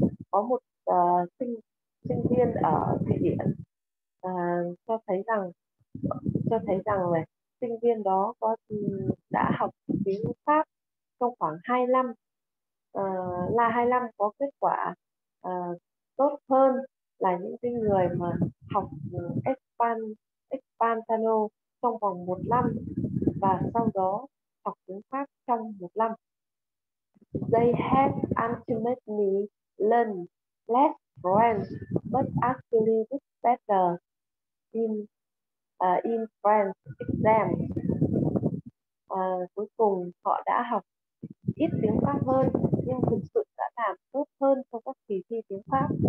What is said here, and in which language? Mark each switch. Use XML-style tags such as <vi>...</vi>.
<vi>Có một sinh viên ở Thụy Điển cho thấy rằng là sinh viên đó có đã học tiếng Pháp trong khoảng 2 năm, là 2 năm có kết quả tốt hơn là những cái người mà học Espanol trong vòng một năm và sau đó học tiếng Pháp trong một năm.</vi> <en>They have ultimately learned less French, but actually did better in French exam.</en> <vi>Cuối cùng họ đã học ít tiếng Pháp hơn, nhưng thực sự đã làm tốt hơn trong các kỳ thi tiếng Pháp.</vi>